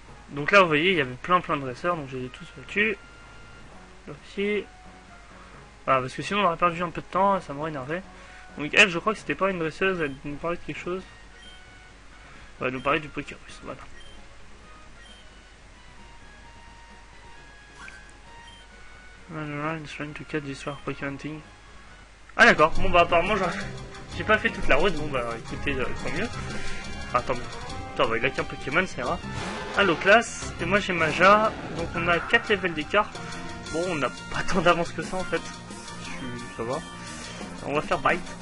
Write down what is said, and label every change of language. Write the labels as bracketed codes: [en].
[fr] Donc là vous voyez, il y avait plein de dresseurs, donc j'ai tous battu. Loki. Voilà, parce que sinon on aurait perdu un peu de temps, ça m'aurait énervé. Donc elle, je crois que c'était pas une dresseuse, elle nous parlait de quelque chose. Elle nous parlait du Pokérus, voilà. [en] I'm trying to catch this rare Pokémon thing. [fr] Ah d'accord, bon bah apparemment j'ai pas fait toute la route, bon bah écoutez, tant mieux. Enfin tant mieux. Attends, bah, il a qu'un Pokémon, ça ira. Allo classe, et moi j'ai Maja, donc on a 4 levels d'écart. Bon, on n'a pas tant d'avance que ça en fait. Ça va. On va faire Bite.